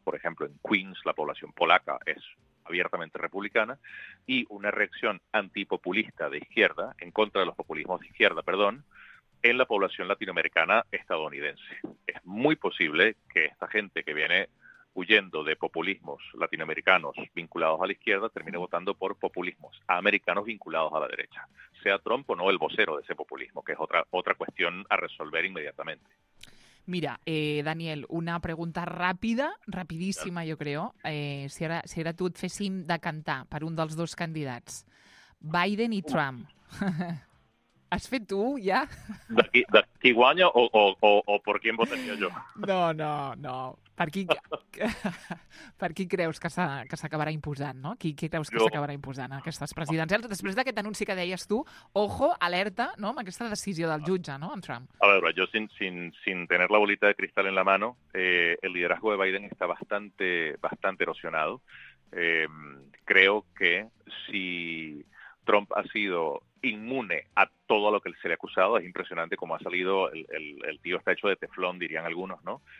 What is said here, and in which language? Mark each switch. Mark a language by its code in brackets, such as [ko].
[es] Por ejemplo, en Queens la población polaca es abiertamente republicana, y una reacción antipopulista de izquierda, en contra de los populismos de izquierda, perdón, en la población latinoamericana estadounidense. Es muy posible que esta gente que viene huyendo de populismos latinoamericanos vinculados a la izquierda termine votando por populismos americanos vinculados a la derecha. Sea Trump o no el vocero de ese populismo, que es otra cuestión a resolver inmediatamente. [ca] Mira, Daniel, una pregunta ràpida, rapidíssima, jo crec. Si ara tu et féssim decantar per un dels dos candidats, Biden i Trump. Has fet tu, ja? De qui guanya o per qui em votaria jo? No. Per qui creus que s'acabarà imposant, no? Qui creus que s'acabarà imposant aquestes presidencials? Després d'aquest anunci que deies tu, ojo, alerta, no?, amb aquesta decisió del jutge, no?, amb Trump. A veure, jo [es] sin tener la bolita de cristal en la mano, el liderazgo de Biden está bastante erosionado. Creo que si Trump ha sido inmune a todo lo que se le ha acusado, es impresionante cómo ha salido, el tío está hecho de teflón, dirían algunos, ¿no?